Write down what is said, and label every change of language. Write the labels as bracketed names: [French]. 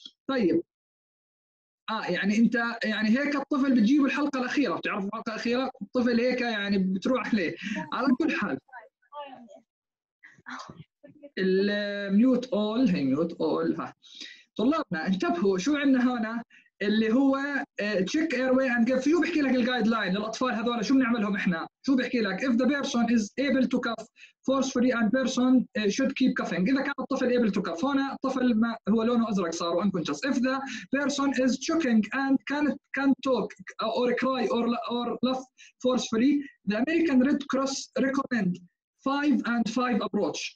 [Arabic] طيب يعني انت يعني هيك الطفل بتجيب الحلقه الاخيره، بتعرف الحلقه الاخيره الطفل هيك يعني بتروح ليه. على كل حال [English] الميوت اول، [Arabic] هي ميوت اول. ها طلابنا انتبهوا شو عندنا هنا، اللي هو [English] تشيك اير واي اند جيف فيو، [Arabic] بحكي لك [English] الجايد لاين [Arabic] للاطفال هذول شو بنعملهم احنا، شو بيحكي لك؟ [English] If the person is able to cough forcefully and person should keep coughing. [Arabic] إذا كان الطفل [English] able to cough، [Arabic] هنا الطفل ما هو لونه أزرق صار [English] unconscious. If the person is choking and can't talk or cry or laugh forcefully, the American Red Cross recommend 5-5 approach.